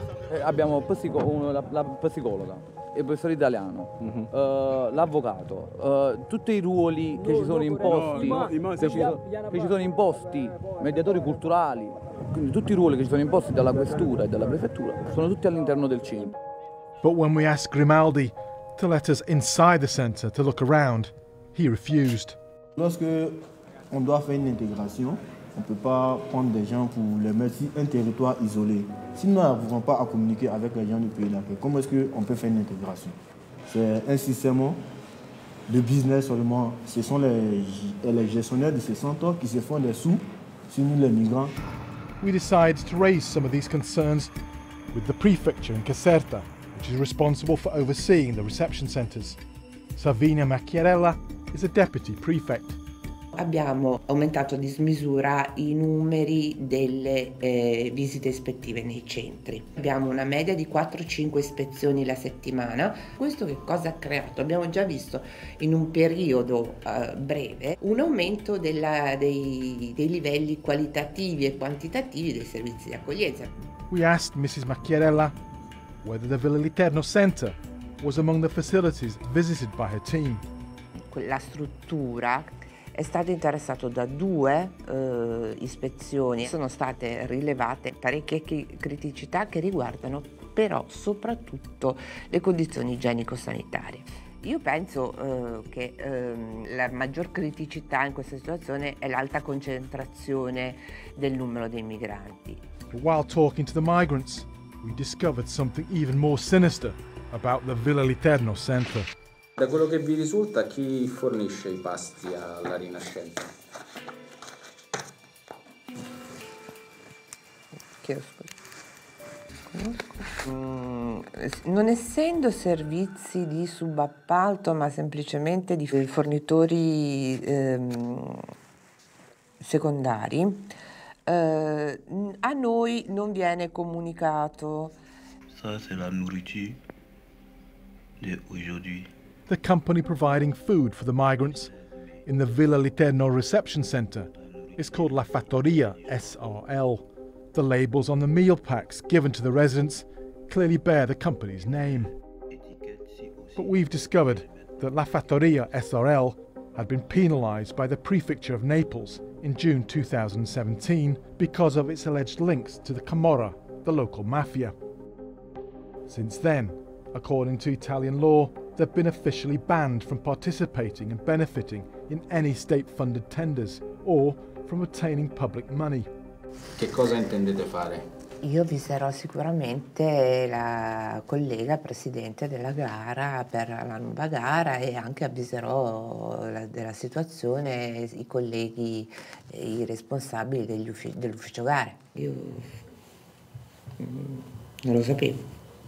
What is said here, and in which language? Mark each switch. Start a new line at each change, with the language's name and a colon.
Italian: E abbiamo la psicologa. Il professore italiano, l'avvocato, tutti i ruoli che ci sono imposti, mediatori culturali, quindi tutti i ruoli che ci sono imposti dalla questura e dalla prefettura, sono tutti all'interno del centro.
English: But when we asked Grimaldi to let us inside the center to look around, he refused.
French: Lorsque on doit faire une intégration, on peut pas prendre des gens pour les mettre sur un territoire isolé. Si nous n'arrivons pas à communiquer avec les gens du pays d'accueil, comment est-ce qu'on peut faire une intégration? C'est un système de business seulement. Ce sont les gestionnaires de ces centres qui se font des sous sur nous, les migrants.
English: We decided to raise some of these concerns with the prefecture in Caserta, which is responsible for overseeing the reception centers. Savina Macchiarella is a deputy prefect.
Italian: Abbiamo aumentato a dismisura i numeri delle visite ispettive nei centri. Abbiamo una media di 4-5 ispezioni la settimana. Questo che cosa ha creato? Abbiamo già visto in un periodo breve un aumento dei livelli qualitativi e quantitativi dei servizi di accoglienza.
English: We asked Mrs. Macchiarella whether the Villa Literno Center was among the facilities visited by her team.
Italian: Quella struttura è stato interessato da due ispezioni. Sono state rilevate parecchie criticità che riguardano però soprattutto le condizioni igienico-sanitarie. Io penso che la maggior criticità in questa situazione è l'alta concentrazione del numero dei migranti.
English: But while talking to the migrants, we discovered something even more sinister about the Villa Literno center.
Italian: Da quello che vi risulta, chi fornisce i pasti alla Rinascente? Non essendo servizi di subappalto, ma semplicemente di fornitori secondari, a noi non viene comunicato.
French: Ça, c'est la nourriture de aujourd'hui.
English: The company providing food for the migrants in the Villa Literno reception center is called La Fattoria SRL. The labels on the meal packs given to the residents clearly bear the company's name. But we've discovered that La Fattoria SRL had been penalized by the prefecture of Naples in June 2017 because of its alleged links to the Camorra, the local mafia. Since then, according to Italian law, they've been officially banned from participating and benefiting in any state-funded tenders or from obtaining public money.
Italian: Che cosa intendete fare? Io avviserò sicuramente la collega presidente della gara per la nuova gara e anche avviserò della situazione i colleghi, i responsabili dell'ufficio gare. Io non lo sapevo.